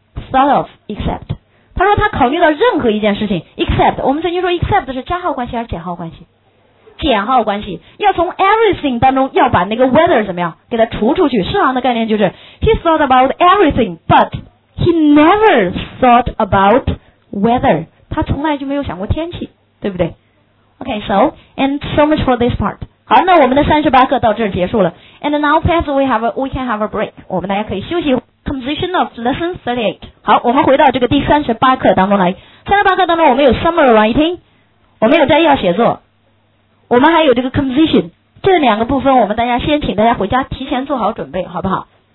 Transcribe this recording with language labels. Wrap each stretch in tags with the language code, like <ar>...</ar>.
<en>Thought of except.</en> <zh>他说他考虑到任何一件事情 except. 我们曾经说 except 是加号关系还是减号关系？减号关系。要从 everything 当中要把那个 weather 怎么样给它除出去。释行的概念就是</zh> <en>he thought about everything, but he never thought about weather.</en> <zh>他从来就没有想过天气，对不对？</zh> <en>Okay, so, and so much for this part.</en> <zh>好，那我们的38课到这儿结束了。</zh> <en>And now perhaps we can have a break，</en> <zh>我们大家可以休息。</zh> <en>Composition of lesson 38。</en> <zh>好，我们回到这个第38课当中来。38课当中我们有 summer writing，我们有摘要写作，我们还有这个 composition， 这两个部分我们大家先请大家回家提前做好准备好不好。</zh>